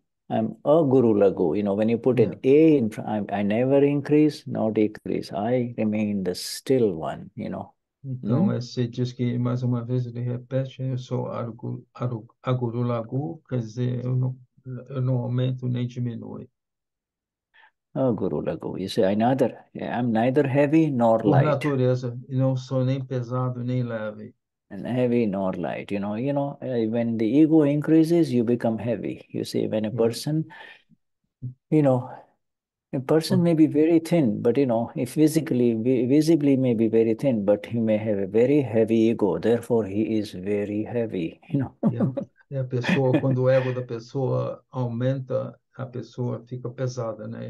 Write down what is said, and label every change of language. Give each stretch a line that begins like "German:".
English: I'm a guru lagu. You know, when you put an A in front, I never increase nor decrease. I remain the still one, you know.
Portuguese: Então, você diz que, mais uma vez, ele repete, eu sou aguru lagu, quer dizer, eu não aumento nem diminuo.
English: Oh, guru lagu, you say, I'm neither heavy nor
Portuguese: Por
English: light.
Portuguese: natureza, não sou nem pesado, nem leve.
English: And heavy nor light, you know, when the ego increases, you become heavy. You see, when a person, you know, a person may be very thin, but you know, if physically, visibly may be very thin, but he may have a very heavy ego. Therefore, he is very heavy,
Portuguese: E a pessoa, quando o ego da pessoa aumenta, a pessoa fica pesada, né?